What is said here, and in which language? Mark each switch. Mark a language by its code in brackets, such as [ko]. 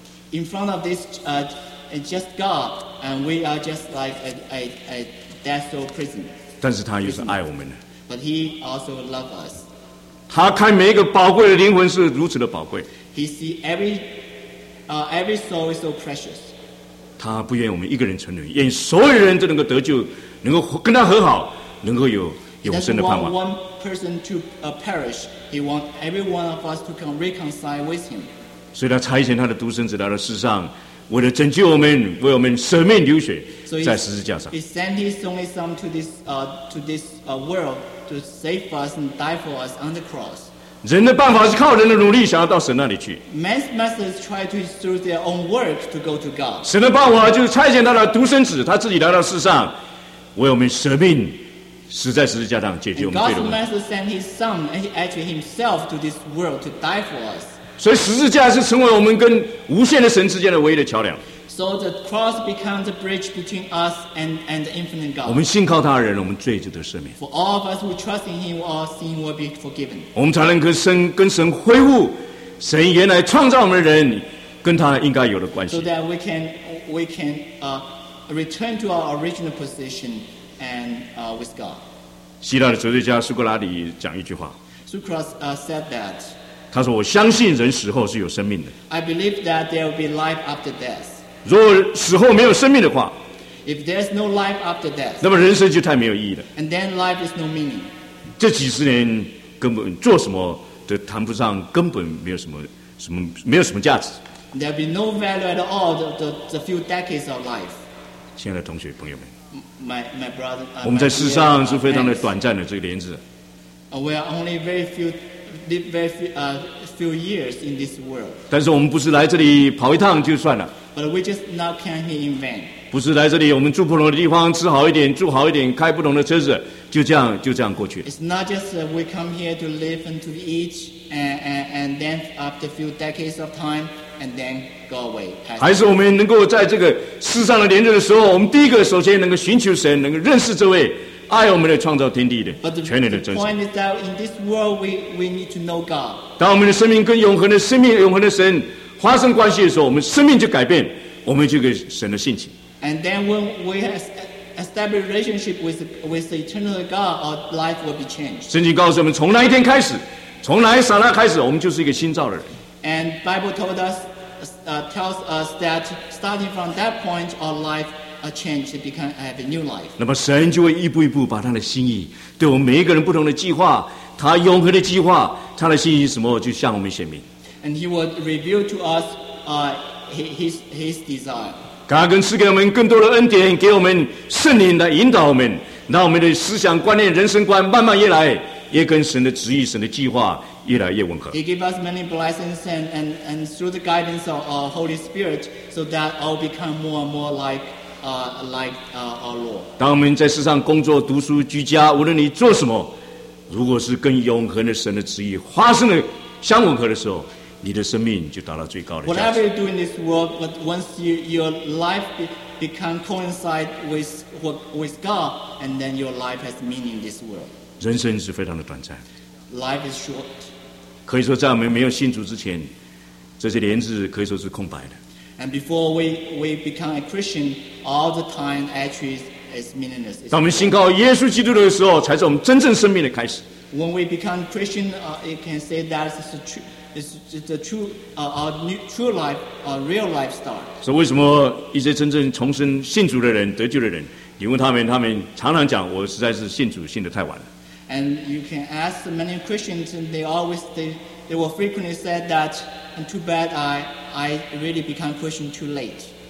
[en] In front of this just God, and we are just like a death row prisoner. [zh] 但是他又是爱我们的。 [en] But he also loves us. [zh] 他看每一个宝贵的灵魂是如此的宝贵。 [en] He sees every soul is so precious. [zh] 他不愿我们一个人沉沦，愿所有人都能够得救，能够跟他和好，能够有永生的盼望。 [en] He doesn't want one person to perish. He wants every one of us to come reconcile with him. [zh] 所以他差遣他的独生子来到世上，为了拯救我们，为我们舍命流血，在十字架上。 [en] He sent his only son to this world to save us and die for us on the cross. [zh] 人的办法是靠人的努力想要到神那里去。 [en] Man's methods try to through their own work to go to God. [zh] 神的办法就是差遣他的独生子，他自己来到世上，为我们舍命，死在十字架上解决我们罪的问题。 [en] God's method sent His Son, actually Himself, to this world to die for us. [zh] 所以十字架是成为我们跟无限的神之间的唯一的桥梁。 [en] So the cross becomes the bridge between us and the infinite God. [zh] 我们信靠他的人，我们罪就得赦免。 [en] For all of us who trust in Him, our sin will be forgiven. [zh] 我们才能跟神恢复神原来创造我们的人跟他应该有的关系。 [en] So that we can return to our original position and with God. [zh] 希腊的哲学家苏格拉底讲一句话。 [en] Socrates said that. [zh] 他说：“我相信人死后是有生命的。 [en] ”I believe that there will be life after death. [zh] 如果死后没有生命的话 [en] If there's no life after death, [zh] 那么人生就太没有意义了 [en] And then life is no meaning. [zh] 这几十年根本做什么都谈不上根本没有没有什么价值 [en] There'll be no value at all the few decades of life [zh] 亲爱的同学朋友们 [en] my brother, [zh] 我们在世上是非常的短暂的这个年纪 [en] We are only very few years in this world [zh] 但是我们不是来这里跑一趟就算了 [en] But we just not come here in vain. [zh] 不是来这里，我们住不同的地方，吃好一点，住好一点，开不同的车子，就这样过去。 [en] It's not just that we come here to live and to eat, and then after a few decades of time, and then go away. [zh] 还是我们能够在这个世上的年日的时候，我们第一个首先能够寻求神，能够认识这位爱我们的创造天地的全能的真神。 [en] But the point is that in this world, we need to know God. [zh] 当我们的生命跟永恒的生命、永恒的神。发生关系的时候，我们生命就改变，我们就跟神的性情。 [en] And then when we establish relationship with the eternal God, our life will be changed. [zh] 圣经告诉我们，从那一天开始，从那一刹那开始，我们就是一个新造的人。 [en] And Bible told us, tells us that starting from that point, our life changed to become have a new life. [zh] 那么神就会一步一步把他的心意，对我们每一个人不同的计划，他永恒的计划。他的信息什么就向我们显明。 [en] And he would reveal to us, his desire. [zh] 他跟赐给我们更多的恩典，给我们圣灵来引导我们，让我们的思想观念、人生观慢慢越来越跟神的旨意、神的计划越来越吻合。 [en] He gave us many blessings and through the guidance of our Holy Spirit, so that all become more and more like our Lord. [zh] 当我们在世上工作、读书、居家，无论你做什么。如果是跟永恒的神的旨意发生了相吻合的时候，你的生命就达到最高的价值。 [en] Whatever you do in this world, but once your life become coincide with God, and then your life has meaning in this world. [zh] 人生是非常的短暂。 [en] Life is short. [zh] 可以说，在我们没有信主之前，这些年日可以说是空白的。 [en] And before we become a Christian, all the time actually. It's meaningless. [zh] 当我们信靠耶稣基督的时候，才是我们真正生命的开始。 [en] When we become Christian, it can say that it's a true life, a real life start. [zh] 所以为什么一些真正重生信主的人、得救的人，你问他们常常讲，我实在是信主信得太晚了。 [en] And you can ask many Christians, and they will frequently say that, and too bad I really become Christian too late.